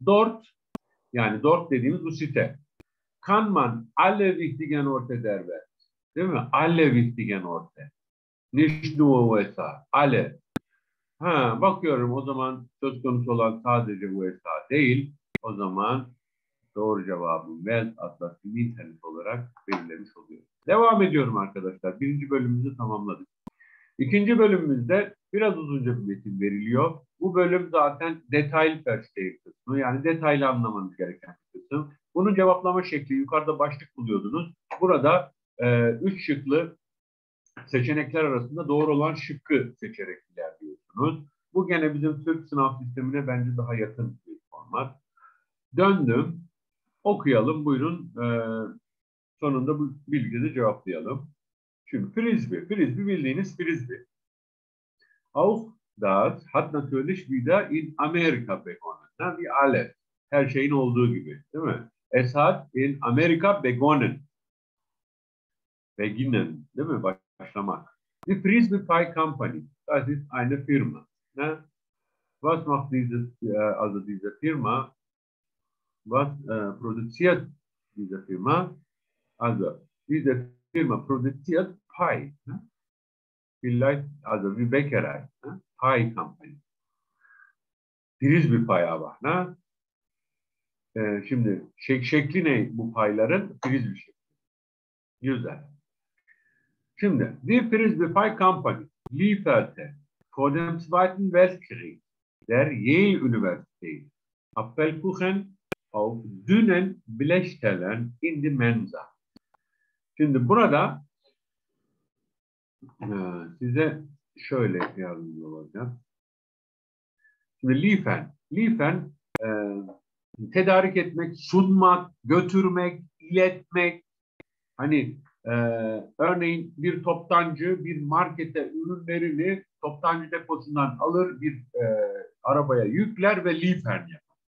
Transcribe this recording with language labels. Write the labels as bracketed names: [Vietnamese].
[Turkish] Dort, yani dort dediğimiz bu site. [German] Kann man alle wichtigen Orte der Welt. [Turkish] Değil mi? [German] Alle wichtigen Orte. Nicht nur USA. Alle. [Turkish] Ha, bakıyorum o zaman söz konusu olan sadece USA değil. O zaman doğru cevabı Welt Atlas'ın internet olarak belirlemiş oluyor. Devam ediyorum arkadaşlar. Birinci bölümümüzü tamamladık. İkinci bölümümüzde biraz uzunca bir metin veriliyor. Bu bölüm zaten detaylı perspektif kısmı. Yani detaylı anlamanız gereken kısım. Bunun cevaplama şekli yukarıda başlık buluyordunuz. Burada üç şıklı seçenekler arasında doğru olan şıkkı seçerek ilerliyorsunuz. Bu gene bizim Türk sınav sistemine bence daha yakın bir format. Döndüm. Okuyalım. Buyurun. Sonunda bu bilgiyi cevaplayalım. Şimdi frisbee. Frisbee bildiğiniz frisbee. [German] Auch das hat natürlich wieder in Amerika begonnen. Wie alle. [Turkish] Her şeyin olduğu gibi. Değil mi? [German] Es hat in Amerika begonnen. Beginnen. [Turkish] Değil mi? Başlamak. [German] The Frisbee Pie Company. Das ist eine Firma. [Turkish] Ne? [German] Was macht diese Firma? Was produziert diese Firma? Also, diese Firma produziert Pie. [Turkish] Ne? [German] Vielleicht, also wie Bäckerei. Ne? Pie Company. Frisbee Pie aber. Ne? [Turkish] Şimdi, şekli ne bu payların? Frisbee şekli. Güzel. [German] Şimdi, The Frisbee Pie Company lieferte vor dem Zweiten Weltkrieg der Yale Universität Apfelkuchen auf dünnen Blechtellern in die Mensa. [Turkish] Şimdi burada size şöyle yardımcı olacağım. Şimdi liefern. Liefern, tedarik etmek, sunmak, götürmek, iletmek. Hani örneğin bir toptancı bir markete ürünlerini toptancı deposundan alır, bir arabaya yükler ve liefern yapar.